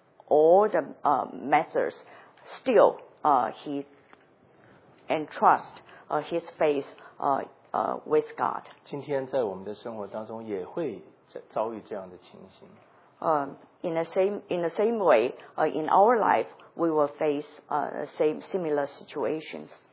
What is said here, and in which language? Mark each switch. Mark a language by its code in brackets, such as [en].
[en] all the matters, still he entrusts his faith with God. [zh] 今天在我们的生活当中也会遭遇这样的情形。 [en] In the same way, in our life, we will face similar situations.